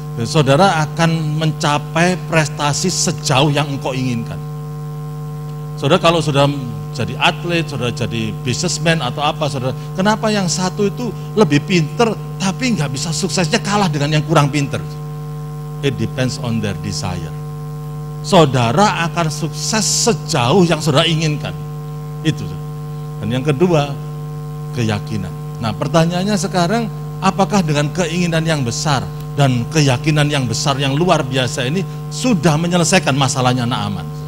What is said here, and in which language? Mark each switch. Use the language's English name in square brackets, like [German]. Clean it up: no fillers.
[Indonesian] Saudara akan mencapai prestasi sejauh yang engkau inginkan. Saudara, kalau sudah jadi atlet, saudara jadi businessman atau apa, saudara, kenapa yang satu itu lebih pinter tapi gak bisa suksesnya, kalah dengan yang kurang pinter? [English] It depends on their desire. [Indonesian] Saudara akan sukses sejauh yang saudara inginkan. Itu, saudara. Dan yang kedua, keyakinan. Nah, pertanyaannya sekarang, apakah dengan keinginan yang besar dan keyakinan yang besar yang luar biasa ini sudah menyelesaikan masalahnya Naaman?